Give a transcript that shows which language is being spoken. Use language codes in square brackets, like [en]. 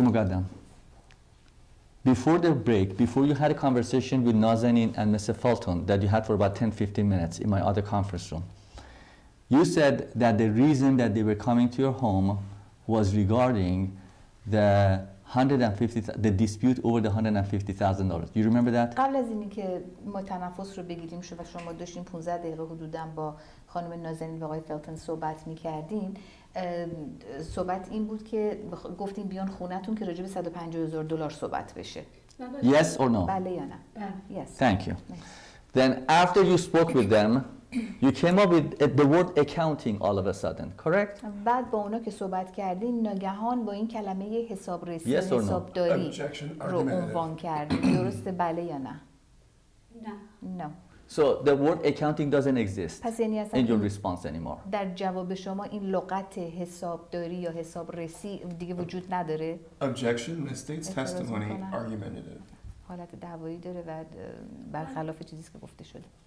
[en] Moghaddam, before the break, before you had a conversation with Nazanin and Mr. Felton that you had for about 10, 15 minutes in my other conference room, you said that the reason that they were coming to your home was regarding the the dispute over the $150,000. You remember that? [fa] قبل از اینکه ما تنفس رو بگیریم و شما داشتین 15 دقیقه حدوداً با خانم نازنین و آقای فلتون صحبت می‌کردین، صحبت این بود که گفتین بیان خونتون که راجع به 150,000 دلار صحبت بشه. [en] Yes or no? [fa] بله یا نه. [en] Yes. Thank you. Then after you spoke with them, you came up with the word accounting all of a sudden, correct? [fa] بعد با اونا که صحبت کردین ناگهان با این کلمه حسابرسی [en] yes [fa] و حسابداری رو عنوان کردین. درسته بله یا نه؟ نه. [en] No. So the word accounting doesn't exist in your response anymore. در جواب شما این لغت حسابداری یا حسابرسی دیگه وجود نداره؟ Objection, misstates testimony, argumentative. [fa] حالت دعوایی داره و برخلاف چیزی که گفته شده.